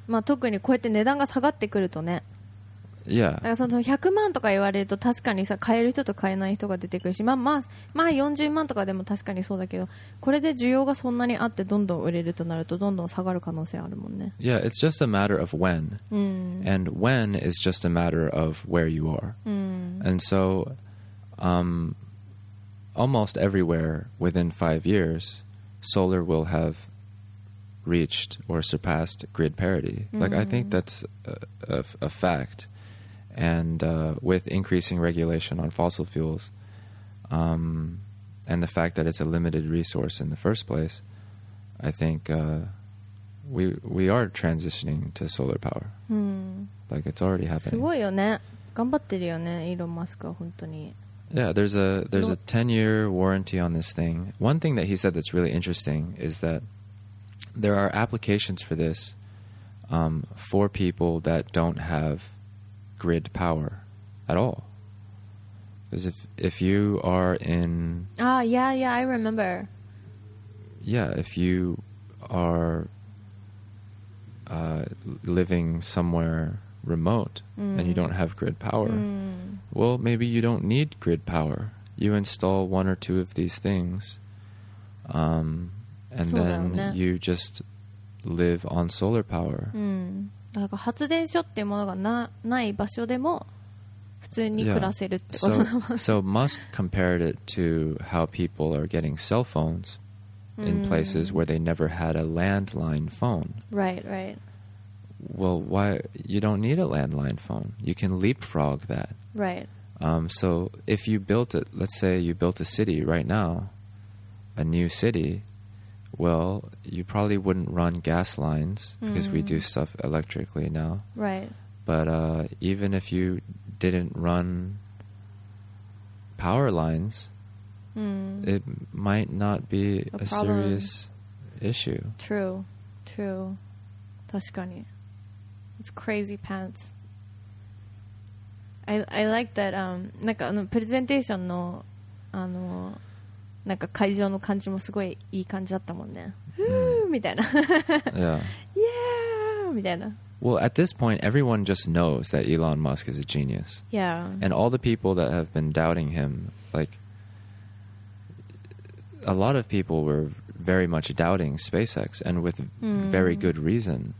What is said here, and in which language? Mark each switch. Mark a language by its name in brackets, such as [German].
[Japanese] まあ、特にこうやって値段が下がってくるとね。 [English] Yeah. [Japanese] だからその100万とか言われると確かにさ、買える人と買えない人が出てくるし、まあまあ、まあ40万とかでも確かにそうだけど、これで需要がそんなにあってどんどん売れるとなるとどんどん下がる可能性あるもんね。 [English] Yeah, it's just a matter of when. And when is just a matter of where you are. And so, almost everywhere within 5 years, solar will have reached or surpassed grid parity. Like, I think that's a fact. And with increasing regulation on fossil fuels, and the fact that it's a limited resource in the first place, I think we are transitioning to solar power. Like, it's already happening. [Japanese] すごいよね。頑張ってるよね、イーロン・マスクは本当に。 [English] Yeah, there's a 10-year warranty on this thing. One thing that he said that's really interesting is that there are applications for this for people that don't have grid power at all. Because if you are in... Ah, yeah, yeah, I remember. Yeah, if you are living somewhere remote and you don't have grid power... Well, maybe you don't need grid power. You install one or two of these things, and then you just live on solar power. [Japanese] なんか発電所っていうものがない場所でも普通に暮らせるってことだもん。 [English] So Musk compared it to how people are getting cell phones in places where they never had a landline phone. Right, right. Well, why, you don't need a landline phone. You can leapfrog that. Right. So if you built it, let's say you built a city right now, a new city, well, you probably wouldn't run gas lines because we do stuff electrically now. Right. But even if you didn't run power lines, it might not be a serious issue. True. True. 確かに。It's crazy pants. I like that. [Japanese] なんかあのプレゼンテーションのあのなんか会場の感じもすごいいい感じだったもんね。みたいな。 [English] Yeah. [Japanese] みたいな。 [English] Well, at this point, everyone just knows that Elon Musk is a genius. Yeah. And all the people that have been doubting him, like a lot of people were very much doubting SpaceX, and with very good reason.